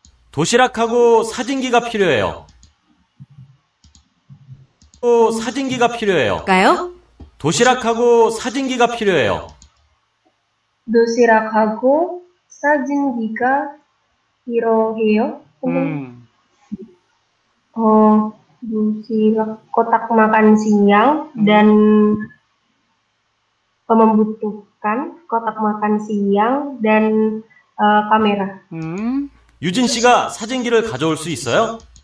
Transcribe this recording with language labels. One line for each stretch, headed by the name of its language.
Korean: 도시락하고 사진기가 필요해요. 사진기가 필요해요. 가요? 도시락하고 사진기가 필요해요. 도시락하고 사진기가 필요해요?
Indonesian: 도시락, kotak makan siang, dan membutuhkan kotak makan siang dan kamera.
Korean: 유진 씨가 사진기를 가져올 수 있어요?